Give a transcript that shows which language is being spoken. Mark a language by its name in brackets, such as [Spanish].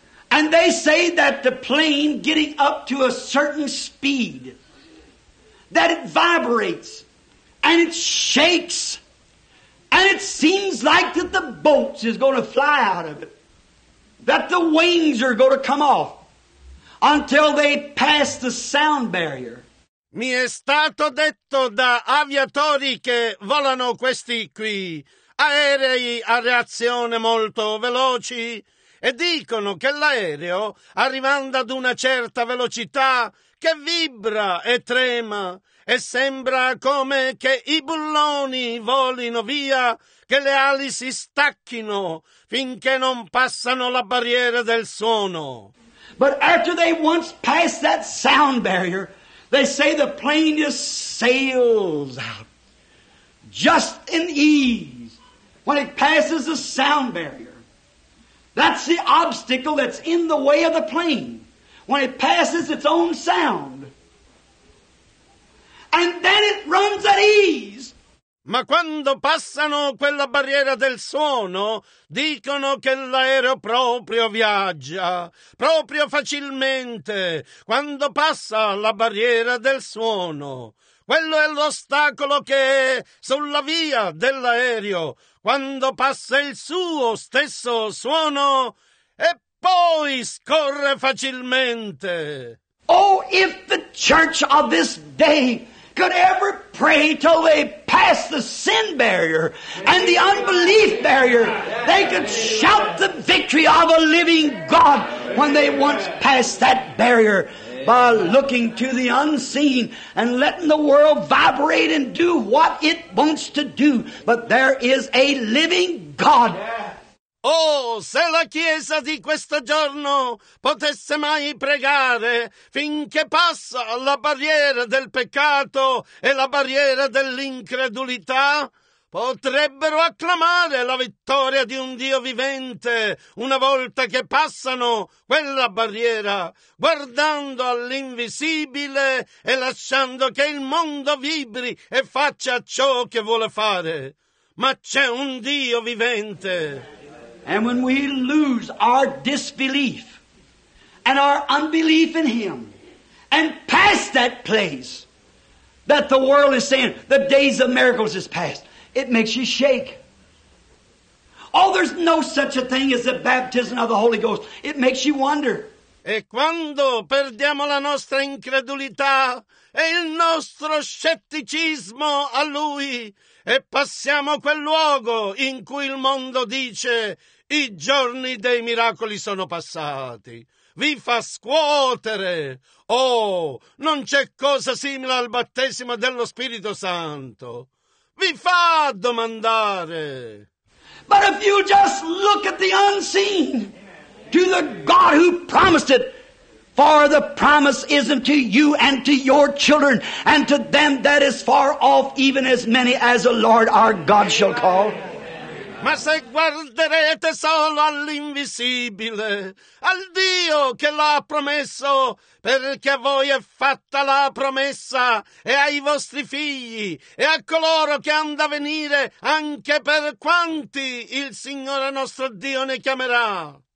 [English] And they say that the plane getting up to a certain speed, that it vibrates and it shakes and it seems like that the bolts is going to fly out of it, that the wings are going to come off until they pass the sound barrier. [Italian] Mi è stato detto da aviatori che volano questi qui, aerei a reazione molto veloci, e dicono che l'aereo, arrivando ad una certa velocità, che vibra e trema, e sembra come che i bulloni volino via, che le ali si stacchino finché non passano la barriera del suono. [English] But after they once pass that sound barrier, they say the plane just sails out, just in ease, when it passes the sound barrier. That's the obstacle that's in the way of the plane, when it passes its own sound. And then it runs at ease. [Italian] Ma quando passano quella barriera del suono, dicono che l'aereo proprio viaggia, proprio facilmente, quando passa la barriera del suono. Quello è l'ostacolo che è sulla via dell'aereo, quando passa il suo stesso suono, e poi scorre facilmente. [English] Oh, if the church of this day could ever pray till they pass the sin barrier and the unbelief barrier, they could shout the victory of a living God when they once pass that barrier by looking to the unseen and letting the world vibrate and do what it wants to do. But there is a living God. [Italian] Oh, se la Chiesa di questo giorno potesse mai pregare finché passa la barriera del peccato e la barriera dell'incredulità, potrebbero acclamare la vittoria di un Dio vivente una volta che passano quella barriera, guardando all'invisibile e lasciando che il mondo vibri e faccia ciò che vuole fare. Ma c'è un Dio vivente. [English] And when we lose our disbelief and our unbelief in Him and pass that place that the world is saying, the days of miracles is past, it makes you shake. Oh, there's no such a thing as the baptism of the Holy Ghost. It makes you wonder. [Italian] E quando perdiamo la nostra incredulità e il nostro scetticismo a Lui e passiamo quel luogo in cui il mondo dice... I giorni dei miracoli sono passati. Vi fa scuotere. Oh, non c'è cosa simile al battesimo dello Spirito Santo. Vi fa domandare. [English] But if you just look at the unseen, to the God who promised it, for the promise is unto you and to your children, and to them that is far off, even as many as the Lord our God shall call. [Italian] Ma se guarderete solo all'invisibile, al Dio che l'ha promesso, perché a voi è fatta la promessa, e ai vostri figli, e a coloro che hanno da venire, anche per quanti il Signore nostro Dio ne chiamerà.